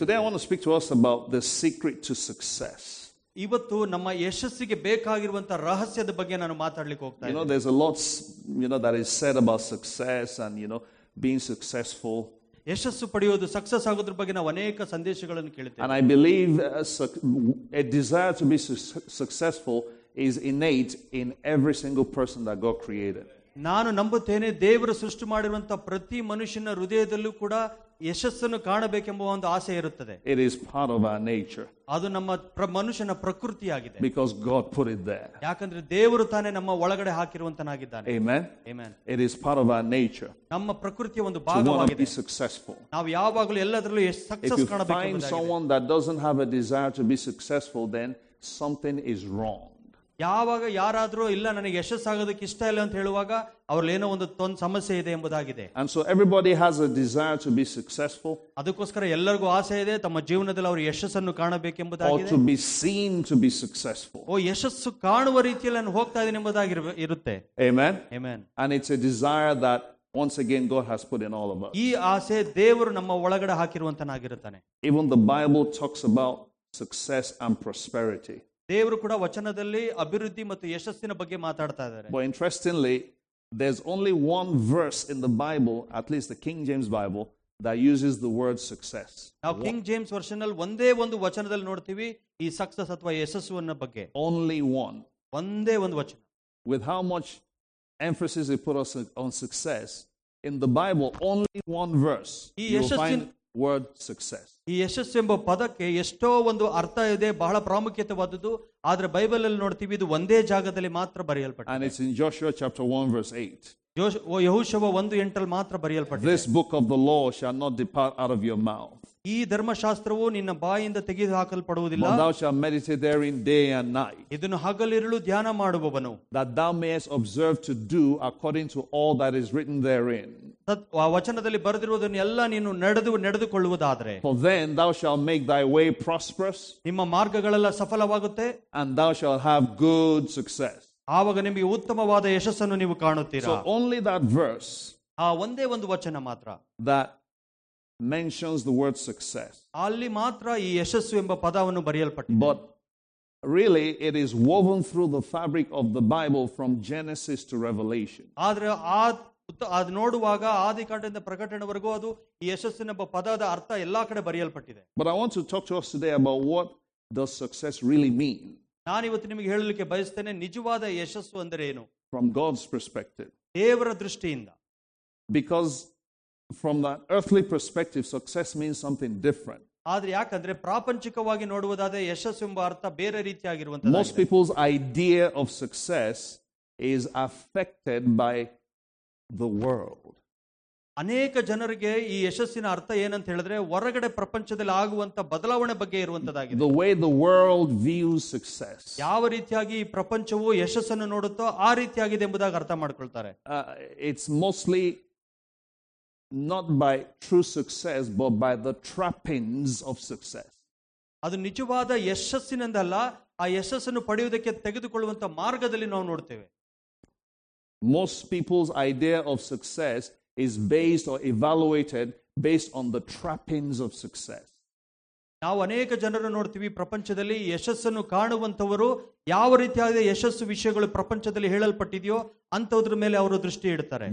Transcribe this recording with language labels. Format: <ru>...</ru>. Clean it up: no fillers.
<en>Today I want to speak to us about the secret to success.</en> <kn>ಇವತ್ತು ನಮ್ಮ ಯಶಸ್ಸಿಗೆ ಬೇಕಾಗಿರುವಂತಹ ರಹಸ್ಯದ ಬಗ್ಗೆ ನಾನು ಮಾತಾಡ್ಲಿಕ್ಕೆ ಹೋಗ್ತಾ ಇದ್ದೇನೆ.</kn> <en>There's a lot, you know, that is said about success and, you know, being successful.</en> <kn>ಯಶಸ್ಸು ಪಡೆಯುವುದು, ಸಕ್ಸಸ್ ಆಗೋದ್ರ ಬಗ್ಗೆ ನಾವು ಅನೇಕ ಸಂದೇಶಗಳನ್ನು ಕೇಳುತ್ತೇವೆ.</kn> <en>And I believe a desire to be successful is innate in every single person that God created.</en> <kn>ನಾನು ನಂಬುತ್ತೇನೆ ದೇವರು ಸೃಷ್ಟಿ ಮಾಡಿರುವಂತಹ ಪ್ರತಿ ಮನುಷ್ಯನ ಹೃದಯದಲ್ಲೂ ಕೂಡ ಯಶಸ್ಸನ್ನು ಕಾಣಬೇಕೆಂಬ ಒಂದು ಆಸೆ ಇರುತ್ತದೆ.</kn> <en>It is part of our nature.</en> <kn>ಅದು ನಮ್ಮ ಮನುಷ್ಯನ ಪ್ರಕೃತಿಯಾಗಿದೆ.</kn> <en>Because God put it there.</en> <kn>ಯಾಕಂದ್ರೆ ದೇವರು ತಾನೇ ನಮ್ಮ ಒಳಗಡೆ ಹಾಕಿರುವಂತನಾಗಿದ್ದಾನೆ.</kn> <en>Amen. Amen. It is part of our nature.</en> <kn>ನಮ್ಮ ಪ್ರಕೃತಿಯ ಒಂದು ಭಾಗವಾಗಿದೆ. ನಾವು ಯಾವಾಗಲೂ ಎಲ್ಲದರಲ್ಲೂ ಸಕ್ಸಸ್ ಕಾಣಬೇಕು.</kn> <en>If you find someone that doesn't have a desire to be successful, then something is wrong.</en> <kn>ಯಾವಾಗ ಯಾರಾದರೂ ಇಲ್ಲ ನನಗೆ ಯಶಸ್ಸಾಗೋದಕ್ಕೆ ಇಷ್ಟ ಇಲ್ಲ ಅಂತ ಹೇಳುವಾಗ ಅವ್ರಲ್ಲಿ ಏನೋ ಒಂದು ಸಮಸ್ಯೆ ಇದೆ ಎಂಬುದಾಗಿದೆ.</kn> <en>And so everybody has a desire to be successful.</en> <kn>ಅದಕ್ಕೋಸ್ಕರ ಎಲ್ಲರಿಗೂ ಆಸೆ ಇದೆ ತಮ್ಮ ಜೀವನದಲ್ಲಿ ಅವರು ಯಶಸ್ಸನ್ನು ಕಾಣಬೇಕೆಂಬುದಾಗಿದೆ.</kn> <en>Or to be seen to be successful.</en> <kn>ಓ ಯಶಸ್ಸು ಕಾಣುವ ರೀತಿಯಲ್ಲಿ ನಾನು ಹೋಗ್ತಾ ಇದ್ದೀನಿ ಎಂಬುದಾಗಿ ಇರುತ್ತೆ.</kn> <en>Amen. Amen. And it's a desire that once again God has put in all of us.</en> <kn>ಈ ಆಸೆ ದೇವರು ನಮ್ಮ ಒಳಗಡೆ ಹಾಕಿರುವಂತನಾಗಿರುತ್ತಾನೆ.</kn> <en>Even the Bible talks about success and prosperity.</en> <kn>ದೇವರು ಕೂಡ ವಚನದಲ್ಲಿ ಅಭಿವೃದ್ಧಿ ಮತ್ತು ಯಶಸ್ಸಿನ ಬಗ್ಗೆ ಮಾತಾಡ್ತಾ ಇದ್ದಾರೆ.</kn> <en>But interestingly, there's only one verse in the Bible, at least the King James Bible, that uses the word success.</en> <kn>ನಾವು ಕಿಂಗ್ ಜೇಮ್ಸ್ ವರ್ಷನ್ ಅಲ್ಲಿ ಒಂದೇ ಒಂದು ವಚನದಲ್ಲಿ ನೋಡ್ತೀವಿ ಈ ಸಕ್ಸಸ್ ಅಥವಾ ಯಶಸ್ಸು ಅನ್ನೋ ಬಗ್ಗೆ.</kn> <en>Only one.</en> <kn>ಒಂದೇ ಒಂದು ವಚನ.</kn> <en>With how much emphasis it put on success, in the Bible, only one verse you'll find word success.</en> <kn>ಈ ಯಶಸ್ಸು ಎಂಬ ಪದಕ್ಕೆ ಎಷ್ಟೋ ಒಂದು ಅರ್ಥ ಇದೆ, ಬಹಳ ಪ್ರಾಮುಖ್ಯತೆವಾದದ್ದು. ಆದ್ರೆ ಬೈಬಲ್ ಅಲ್ಲಿ ನೋಡ್ತೀವಿ ಇದು ಒಂದೇ ಜಾಗದಲ್ಲಿ ಮಾತ್ರ ಬರೆಯಲ್ಪಟ್ಟಿದೆ.</kn> <en>Joshua chapter 1 verse</en> <kn>8. ಯೆಹೋಶುವ 1:8 ಮಾತ್ರ ಬರೆಯಲ್ಪಟ್ಟಿದೆ.</kn> <en>This book of the law shall not depart out of your mouth.</en> <kn>ಈ ಧರ್ಮಶಾಸ್ತ್ರವು ನಿನ್ನ ಬಾಯಿಂದ ತೆಗೆದು ಹಾಕಲ್ಪಡುವುದಿಲ್ಲ.</kn> <en>Thou shalt meditate therein day and night.</en> <kn>ಇದನ್ನು ಹಗಲಿರುಳು ಧ್ಯಾನ ಮಾಡುವವನು.</kn> <en>That thou mayest observe to do according to all that is written therein.</en> <kn>ಆ ವಚನದಲ್ಲಿ ಬರೆದಿರುವುದನ್ನು ಎಲ್ಲ ನೀನು ನಡೆದುಕೊಳ್ಳುವುದಾದ್ರೆ.</kn> <en>For then thou shalt make thy way prosperous.</en> <kn>ನಿಮ್ಮ ಮಾರ್ಗಗಳೆಲ್ಲ ಸಫಲವಾಗುತ್ತೆ.</kn> <en>And thou shalt have good success.</en> <kn>ಆವಾಗ ನಿಮಗೆ ಉತ್ತಮವಾದ ಯಶಸ್ಸನ್ನು ನೀವು ಕಾಣುತ್ತೀರಾ.</kn> <en>So only that verse.</en> <kn>ಆ ಒಂದೇ ಒಂದು ವಚನ ಮಾತ್ರ.</kn> <en>That mentions the word success.</en> <kn>ಅಲ್ಲಿ ಮಾತ್ರ ಈ ಯಶಸ್ಸು ಎಂಬ ಪದವನ್ನು ಬರೆಯಲ್ಪಟ್ಟಿದೆ.</kn> <en>But really it is woven through the fabric of the Bible from Genesis to Revelation.</en> <kn>ಆದ್ರೆ ಅದು ನೋಡುವಾಗ ಆದಿಕಾಂಡದಿಂದ ಪ್ರಕಟಣೆವರೆಗೂ ಅದು ಈ ಯಶಸ್ಸಿನ ಪದದ ಅರ್ಥ ಎಲ್ಲಾ ಕಡೆ ಬರೆಯಲ್ಪಟ್ಟಿದೆ.</kn> <en>But I want to talk to us today about what does success really mean.</en> <kn>ನಾನು ಇವತ್ತು ನಿಮಗೆ ಹೇಳಲಿಕ್ಕೆ ಬಯಸ್ತೇನೆ ನಿಜವಾದ ಯಶಸ್ಸು ಅಂದ್ರೆ ಏನು.</kn> <en>From God's perspective.</en> <kn>ದೇವರ ದೃಷ್ಟಿಯಿಂದ.</kn> <en>Because from that earthly perspective success means something different.</en> <kn>ಆದ್ರೆ ಯಾಕಂದ್ರೆ ಪ್ರಾಪಂಚಿಕವಾಗಿ ನೋಡುವುದಾದ್ರೆ ಯಶಸ್ಸು ಎಂಬ ಅರ್ಥ ಬೇರೆ ರೀತಿಯಾಗಿರುವಂತಹ.</kn> <en>Most people's idea of success is affected by the world.</en> <kn>ಅನೇಕ ಜನರಿಗೆ ಈ ಯಶಸ್ಸಿನ ಅರ್ಥ ಏನಂತ ಹೇಳಿದ್ರೆ ಹೊರಗಡೆ ಪ್ರಪಂಚದಲ್ಲಿ ಆಗುವಂತ ಬದಲಾವಣೆ ಬಗ್ಗೆ ಇರುವಂತದಾಗಿದೆ.</kn> <en>The way the world views success.</en> <kn>ಯಾವ ರೀತಿಯಾಗಿ ಈ ಪ್ರಪಂಚವು ಯಶಸ್ಸನ್ನು ನೋಡುತ್ತೋ ಆ ರೀತಿಯಾಗಿದೆ ಎಂಬುದಾಗಿ ಅರ್ಥ ಮಾಡ್ಕೊಳ್ತಾರೆ.</kn> <en>It's mostly not by true success but by the trappings of success.</en> <kn>ಅದು ನಿಜವಾದ ಯಶಸ್ಸಿನಿಂದಲ್ಲ, ಆ ಯಶಸ್ಸನ್ನು ಪಡೆಯುವುದಕ್ಕೆ ತೆಗೆದುಕೊಳ್ಳುವಂತ ಮಾರ್ಗದಲ್ಲಿ ನಾವು ನೋಡ್ತೇವೆ.</kn> <en>Most people's idea of success is based or evaluated based on the trappings of success.</en> <kn>ನಾವು ಅನೇಕ ಜನರು ನೋಡ್ತೀವಿ ಪ್ರಪಂಚದಲ್ಲಿ ಯಶಸ್ಸನ್ನು ಕಾಣುವಂತವರು ಯಾವ ರೀತಿಯಾದ ಯಶಸ್ಸು ವಿಷಯಗಳು ಪ್ರಪಂಚದಲ್ಲಿ ಹೇಳಲ್ಪಟ್ಟಿದೆಯೋ ಅಂತವದ್ರ ಮೇಲೆ ಅವರು ದೃಷ್ಟಿ ಇಡ್ತಾರೆ.</kn>